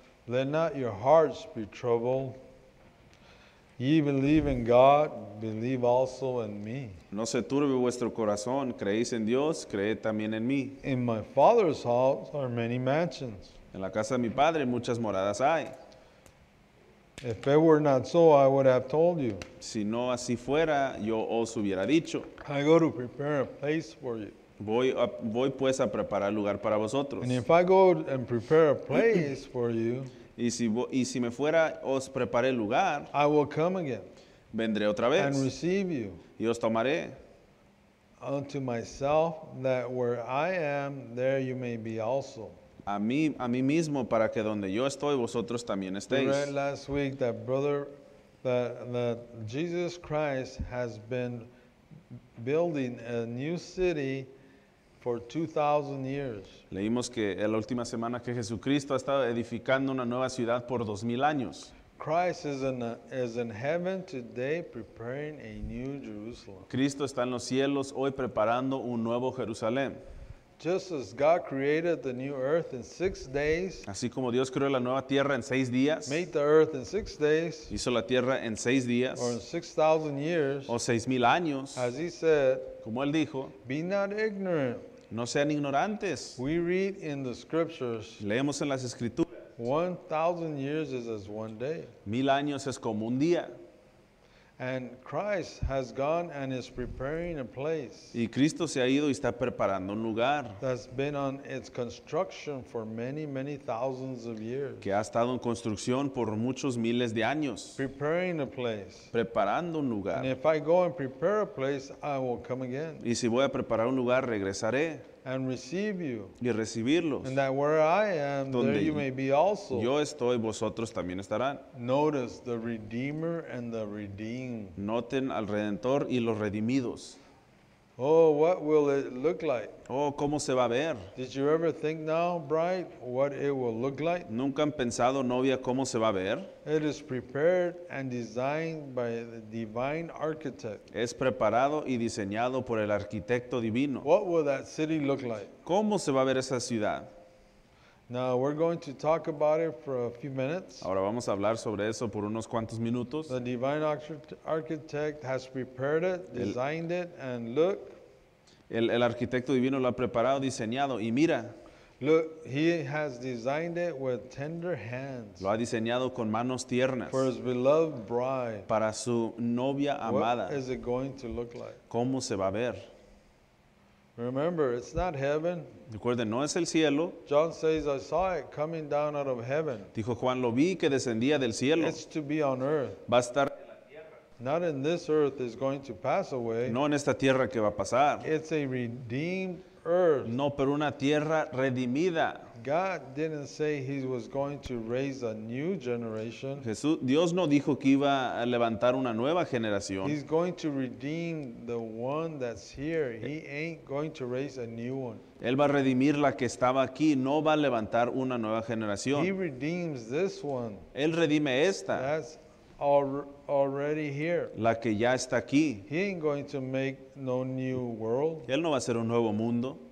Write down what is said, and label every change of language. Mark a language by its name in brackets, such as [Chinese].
[English] Let not your hearts be troubled. Ye believe in God, believe also in me. [Spanish] No se turbe vuestro corazón, creéis en Dios, creed también en mí. [English] In my Father's house are many mansions. [Spanish] En la casa de mi padre muchas moradas hay. [English] If it were not so, I would have told you. [Spanish] Si no así fuera, yo os hubiera dicho. [English] I go to prepare a place for you. [Spanish] Voy pues a preparar lugar para vosotros. [English] And if I go and prepare a place for you, [Spanish] y si me fuera, os preparé lugar, [English] I will come again. [Spanish] Vendré otra vez. [English] And receive you. [Spanish] Y os tomaré. [English] Unto myself, that where I am, there you may be also. [Spanish] A mí mismo, para que donde yo estoy, vosotros también estéis. [English] We read last week that Jesus Christ has been building a new city for 2,000 years. [Spanish] Leímos que en la última semana que Jesucristo ha estado edificando una nueva ciudad por 2,000 años. [English] Christ is in heaven today preparing a new Jerusalem. [Spanish] Cristo está en los cielos hoy preparando un nuevo Jerusalén. [English] Just as God created the new earth in 6 days, [Spanish] así como Dios creó la nueva tierra en 6 días, [English] made the earth in 6 days, [Spanish] hizo la tierra en 6 días, [English] or in 6,000 years, [Spanish] o 6,000 años, [English] as he said, [Spanish] como él dijo, [English] be not ignorant, [Spanish] no sean ignorantes. [English] We read in the scriptures, [Spanish] leemos en las escrituras, [English] 1,000 years is as 1 day, [Spanish] 1,000 años es como un día. [English] And Christ has gone and is preparing a place. [Spanish] Y Cristo se ha ido y está preparando un lugar. [English] That's been on its construction for many, many thousands of years. [Spanish] Que ha estado en construcción por muchos miles de años. [English] Preparing a place. [Spanish] Preparando un lugar. [English] And if I go and prepare a place, I will come again. [Spanish] Y si voy a preparar un lugar, regresaré. [English] And receive you. [Spanish] Y recibirlos. [English] And that where I am, [Spanish] donde [English] there you may be also. [Spanish] Yo estoy, vosotros también estarán. [English] Notice the Redeemer and the redeemed. [Spanish] Noten al Redentor y los redimidos. [English] Oh, what will it look like? [Spanish] Oh, ¿cómo se va a ver? [English] Did you ever think now, bride, what it will look like? [Spanish] ¿Nunca han pensado, novia, cómo se va a ver? [English] It is prepared and designed by the divine architect. [Spanish] Es preparado y diseñado por el arquitecto divino. [English] What will that city look like? [Spanish] ¿Cómo se va a ver esa ciudad? [English] Now we're going to talk about it for a few minutes. [Spanish] Ahora vamos a hablar sobre eso por unos cuantos minutos. [English] The divine architect has prepared it, designed it, and look. [Spanish] El arquitecto divino lo ha preparado, diseñado, y mira. [English] Look, he has designed it with tender hands. [Spanish] Lo ha diseñado con manos tiernas. [English] For his beloved bride. [Spanish] Para su novia amada. [English] What is it going to look like? [Spanish] ¿Cómo se va a ver? [English] Remember, it's not heaven. [Spanish] Recuerden, no es el cielo. [English] John says, I saw it coming down out of heaven. [Spanish] Dijo Juan, lo vi que descendía del cielo. [English] It's to be on earth. [Spanish] Va a estar. [English] Not in this earth is going to pass away. [Spanish] No en esta tierra que va a pasar. [English] It's a redeemed earth. [Spanish] No, pero una tierra redimida. [English] God didn't say he was going to raise a new generation. [Spanish] Jesús, Dios no dijo que iba a levantar una nueva generación. [English] He's going to redeem the one that's here. He ain't going to raise a new one. [Spanish] Él va a redimir la que estaba aquí, no va a levantar una nueva generación. [English] He redeems this one. [Spanish] Él redime esta. [English] That's already here. [Spanish] La que ya está aquí. [English] He ain't going to make no new world. [Spanish] Él no va a hacer un nuevo mundo.